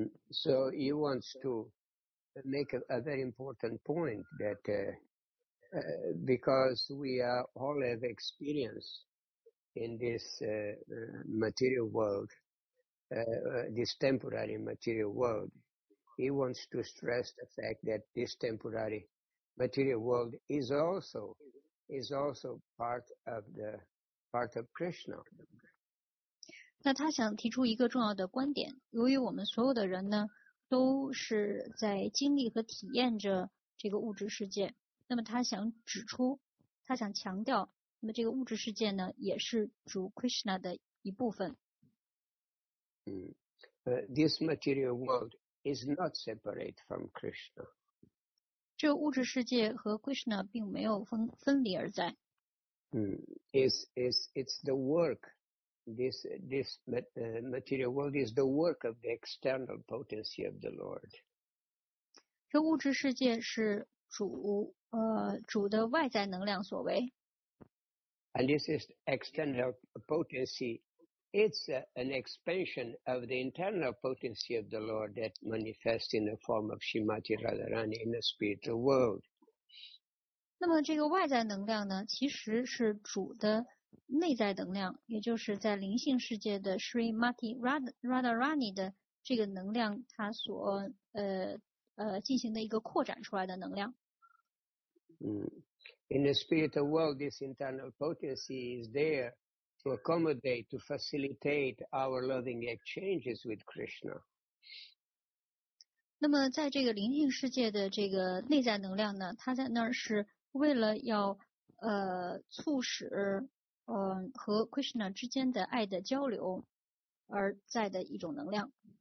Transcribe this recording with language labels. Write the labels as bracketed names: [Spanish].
[English] So he wants to make a very important point that because we all have experience in this material world. this temporary material world. He wants to stress the fact that this temporary material world is also part of Krishna. [Chinese] 那他想提出一个重要的观点，由于我们所有的人呢都是在经历和体验着这个物质世界，那么他想指出，他想强调，那么这个物质世界呢也是主 Krishna 的一部分。 [English] This material world is not separate from Krishna. [Chinese] 这物质世界和 Krishna 并没有分离而在。 [English] It's the work. This material world is the work of the external potency of the Lord. [Chinese] 这物质世界是主的外在能量所为。 [English] And this is external potency. It's an expansion of the internal potency of the Lord that manifests in the form of Srimati Radharani in the spiritual world. [Chinese] 那么这个外在能量呢，其实是主的内在能量，也就是在灵性世界的 Srimati Radharani 的这个能量，它所进行的一个扩展出来的能量。 [English] In the spiritual world, this internal potency is there to accommodate, to facilitate our loving exchanges with Krishna. [Chinese] 那么在这个灵性世界的这个内在能量呢，它在那儿是为了要促使和 Krishna 之间的爱的交流而在的一种能量。